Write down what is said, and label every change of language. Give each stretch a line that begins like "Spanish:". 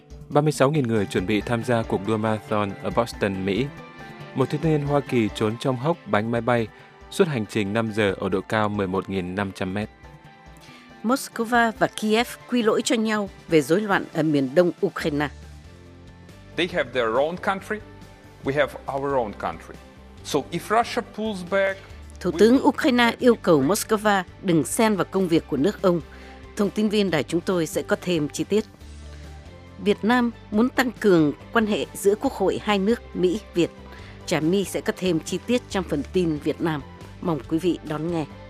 Vietnamese: 36.000 người chuẩn bị tham gia cuộc đua marathon ở Boston, Mỹ. Một thiếu niên Hoa Kỳ trốn trong hốc bánh máy bay suốt hành trình 5 giờ ở độ cao 11.500m. Moscow và Kiev quy lỗi cho nhau về rối loạn ở miền đông Ukraine.
English: They have their own country, we have our own country. So if Russia pulls back,
Vietnamese: Thủ tướng Ukraine yêu cầu Moscow đừng xen vào công việc của nước ông. Thông tin viên đài chúng tôi sẽ có thêm chi tiết. Việt Nam muốn tăng cường quan hệ giữa quốc hội hai nước Mỹ-Việt. Trà My sẽ có thêm chi tiết trong phần tin Việt Nam. Mong quý vị đón nghe.